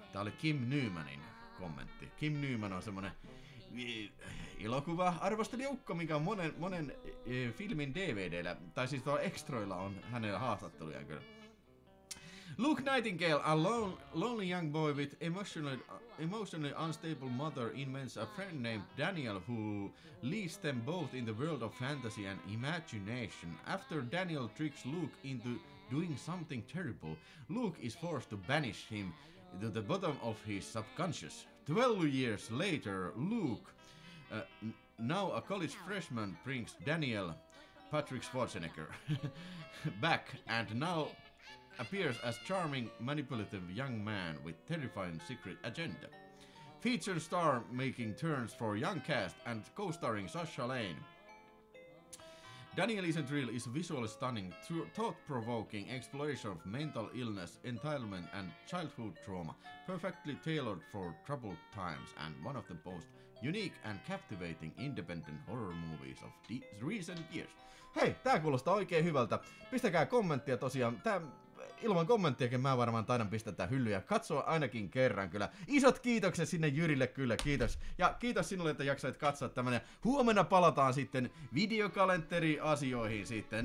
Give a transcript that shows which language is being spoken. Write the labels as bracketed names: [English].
[Finnish] Tää oli Kim Newmanin kommentti. Kim Newman on semmonen elokuva-arvostelijukko, mikä on monen filmin DVD:llä, tai siis tuolla extroilla on hänellä haastatteluja kyllä. [English] Luke Nightingale, a lonely young boy with emotionally unstable mother, invents a friend named Daniel who leads them both in the world of fantasy and imagination. After Daniel tricks Luke into doing something terrible, Luke is forced to banish him to the bottom of his subconscious. 12 years later, Luke, now a college freshman, brings Daniel, Patrick Schwarzenegger, back, and now appears as charming, manipulative young man with terrifying secret agenda. Featured star making turns for young cast and co-starring Sasha Lane. Daniel isn't real is a visually stunning, thought-provoking exploration of mental illness, entitlement and childhood trauma, perfectly tailored for troubled times and one of the most unique and captivating independent horror movies of recent years. [Finnish] Hei, tää kuulostaa oikein hyvältä. Pistäkää kommenttia tosiaan. Ilman kommenttiakin mä varmaan taidan pistää tää hyllyä ja katsoa ainakin kerran kyllä. Isot kiitokset sinne Jyrille kyllä, kiitos. Ja kiitos sinulle, että jaksoit katsoa tämän. Ja huomenna palataan sitten videokalenteriasioihin sitten.